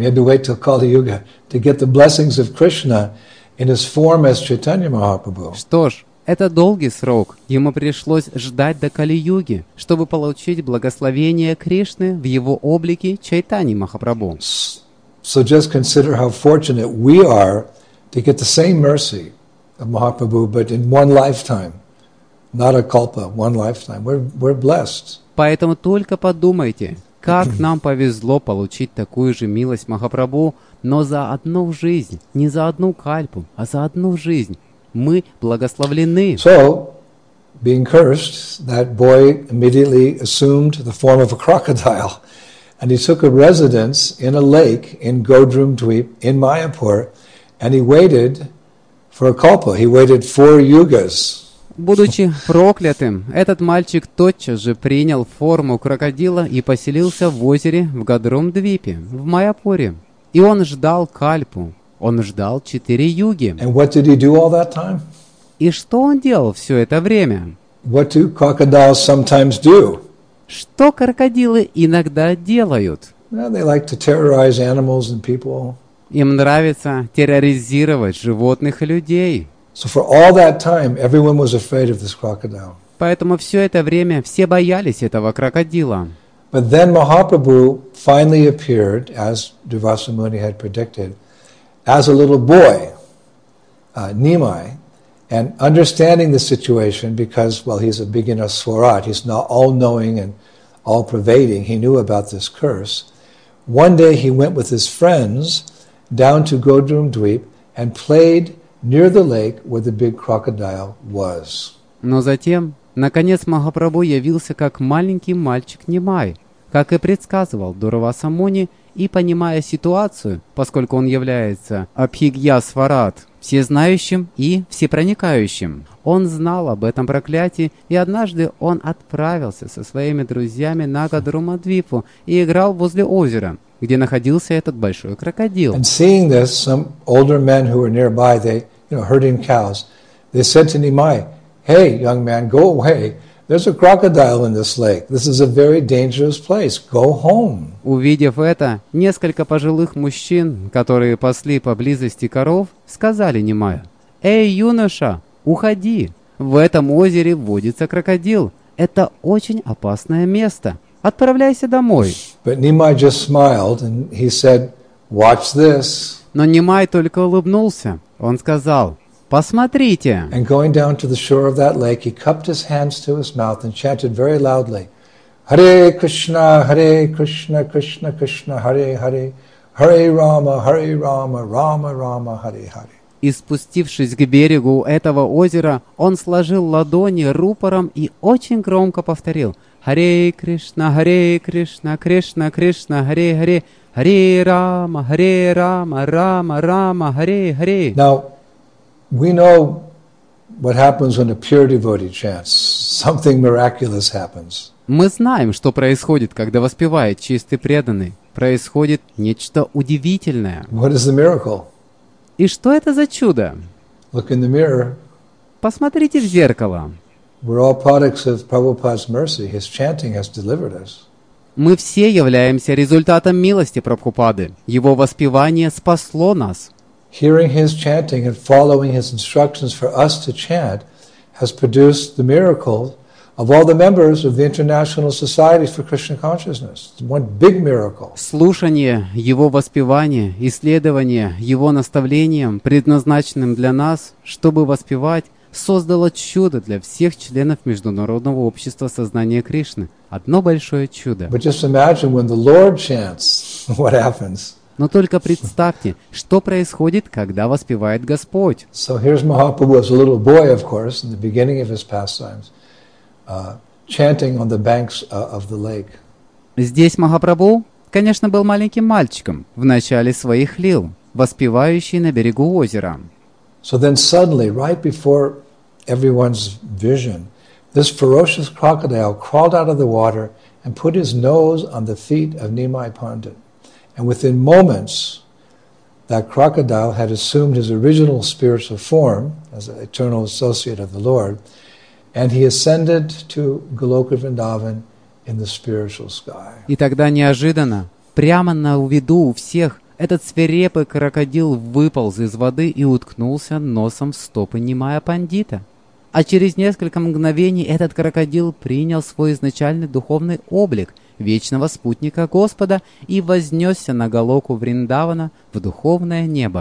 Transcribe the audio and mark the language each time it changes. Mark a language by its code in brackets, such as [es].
[en] You had to wait till Kali-юга to get the blessings of Krishna in his form as Chaitanya Mahaprabhu. [ru] Что ж, это долгий срок. Ему пришлось ждать до Кали-юги, чтобы получить благословение Кришны в его облике Чайтани Махапрабху. [en] So just consider how fortunate we are to get the same mercy of Mahaprabhu, but in one lifetime, not a kalpa, one lifetime. We're blessed. [ru] Поэтому только подумайте, как нам повезло получить такую же милость Махапрабху, но за одну жизнь, не за одну кальпу, а за одну жизнь. Мы благословлены. [en] So, being cursed, that boy immediately assumed the form of a crocodile, and he took a residence in a lake in Godrumdweep in Mayapur, and he waited for a kalpa. He waited four yugas. [ru] Будучи проклятым, этот мальчик тотчас же принял форму крокодила и поселился в озере в Годрумдвипе в Майяпуре, и он ждал кальпу. Он ждал четыре юги. [en] And what did he do all that time? [ru] И что он делал все это время? [en] What do crocodiles sometimes do? [ru] Что крокодилы иногда делают? [en] Well, they like to terrorize animals and people. [ru] Им нравится терроризировать животных и людей. [en] So for all that time, everyone was afraid of this crocodile. [ru] Поэтому все это время все боялись этого крокодила. [en] But then Mahaprabhu finally appeared, as Durvasa Muni had predicted, as a little boy, Nimai, and understanding the situation, because, well, he's a beginner swarat, he's not all-knowing and all-pervading, he knew about this curse. One day he went with his friends down to Godrumdweep and played near the lake where the big crocodile was. [ru] Но затем, наконец, Махапрабху явился как маленький мальчик Нимай, как и предсказывал Дурваса Муни, и понимая ситуацию, поскольку он является Абхигья-сварат, всезнающим и всепроникающим. Он знал об этом проклятии, и однажды он отправился со своими друзьями на Годрумдвипу и играл возле озера, где находился этот большой крокодил. [en] And seeing this, some older men who were nearby, they, you know, herding cows, they said to Nimai, "Hey, young man, go away. There's a crocodile in this lake. This is a very dangerous place. Go home." [ru] Увидев это, несколько пожилых мужчин, которые пасли поблизости коров, сказали Нимаю: "Эй, юноша, уходи. В этом озере водится крокодил. Это очень опасное место. Отправляйся домой. [en] But Nimai just smiled and he said, "Watch this." [ru] Но Нимай только улыбнулся. Он сказал: "Посмотрите." [en] And going down to the shore of that lake, he cupped his hands to his mouth and chanted very loudly, "Hare Krishna, Krishna Krishna, Hare Hare, Hare Rama, Rama Rama, Hare Hare." [ru] И спустившись к берегу этого озера, он сложил ладони рупором и очень громко повторил: Харе Кришна, Кришна, Кришна, Харе Харе, Харе Рама, Рама, Рама, Харе Харе. [en] Now, we know what happens when a pure devotee chants. Something miraculous happens. [ru] Мы знаем, что происходит, когда воспевает чистый преданный. Происходит нечто удивительное. [en] What is the miracle? [ru] И что это за чудо? [en] Look in the mirror. [ru] Посмотрите в зеркало. [en] We're all products of Prabhupada's mercy. His chanting has delivered us. [ru] Мы все являемся результатом милости Прабхупады. Его воспевание спасло нас. [en] Hearing his chanting and following his instructions for us to chant has produced the miracle of all the members of the International Society for Krishna Consciousness. One big miracle. [ru] Слушание его воспевания, исследование его наставлением, предназначенным для нас, чтобы воспевать, создало чудо для всех членов Международного общества сознания Кришны. Одно большое чудо. [en] But just imagine when the Lord chants, what happens. [ru] Но только представьте, что происходит, когда воспевает Господь. [en] So here's Mahaprabhu as a little boy, of course, in the beginning of his pastimes, chanting on the banks of the lake. [ru] Здесь Махапрабху, конечно, был маленьким мальчиком в начале своих лил, воспевающий на берегу озера. [en] So then suddenly, right before everyone's vision, this ferocious crocodile crawled out of the water and put his nose on the feet of Nimai Pandit. And within moments, that crocodile had assumed his original spiritual form as an eternal associate of the Lord, and he ascended to Goloka Vrindavan in the spiritual sky. [ru] И тогда неожиданно, прямо на виду у всех, этот свирепый крокодил выполз из воды и уткнулся носом в стопы Нимая Пандита. А через несколько мгновений этот крокодил принял свой изначальный духовный облик вечного спутника Господа и вознесся на Голоку Вриндавана в духовное небо.